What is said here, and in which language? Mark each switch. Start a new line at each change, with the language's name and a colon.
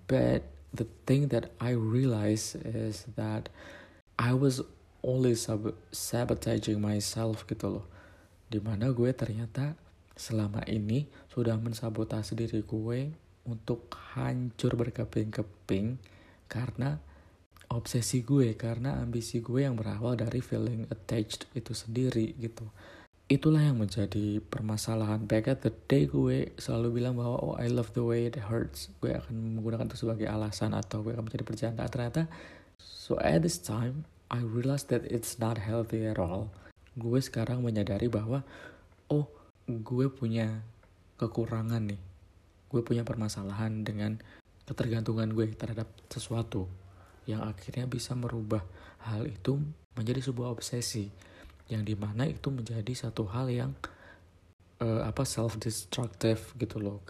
English: But the thing that I realize is that I was only sabotaging myself
Indonesian: gitu loh. Dimana gue ternyata selama ini sudah mensabotase diri gue untuk hancur berkeping-keping karena obsesi gue, karena ambisi gue yang berawal dari
English: feeling attached
Indonesian: itu sendiri gitu. Itulah yang menjadi permasalahan.
English: Back at the day
Indonesian: gue selalu bilang bahwa,
English: oh, I love the way it hurts.
Indonesian: Gue akan menggunakan itu sebagai alasan atau gue akan menjadi perjanda. Ternyata,
English: so at this time, I realized that it's not healthy at all.
Indonesian: Gue sekarang menyadari bahwa, oh, gue punya kekurangan nih. Gue punya permasalahan dengan ketergantungan gue terhadap sesuatu, yang akhirnya bisa merubah hal itu menjadi sebuah obsesi, yang dimana itu menjadi satu hal yang self-destructive gitu loh.